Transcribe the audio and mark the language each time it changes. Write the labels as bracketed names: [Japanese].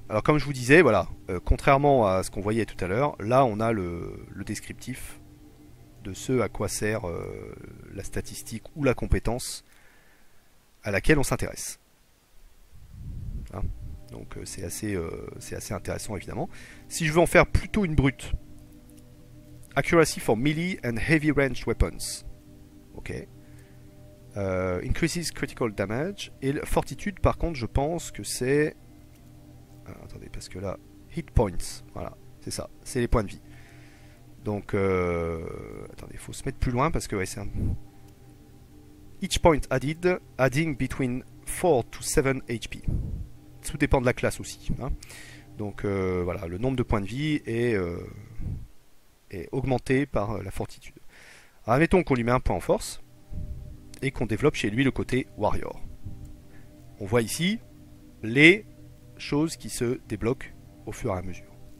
[French] Alors comme je vous disais, voilà, contrairement à ce qu'on voyait tout à l'heure, là, on a le descriptif de ce à quoi sert la statistique ou la compétence à laquelle on s'intéresse. Hein? Donc c'est assez intéressant évidemment. Si je veux en faire plutôt une brute. [English] Accuracy for melee and heavy range weapons. Ok. Increases critical damage. [French] Et fortitude, par contre, je pense que c'est. Attendez, parce que là, hit points. Voilà, c'est ça, c'est les points de vie. Donc, attendez, il faut se mettre plus loin parce que ouais, c'est un. [English] Each point added, adding between 4 to 7 HP. [French] Tout dépend de la classe aussi. Hein. Donc, voilà, le nombre de points de vie est augmenté par la fortitude. Alors, admettons qu'on lui met un point en force et qu'on développe chez lui le côté warrior. On voit ici les choses qui se débloquent au fur et à mesure.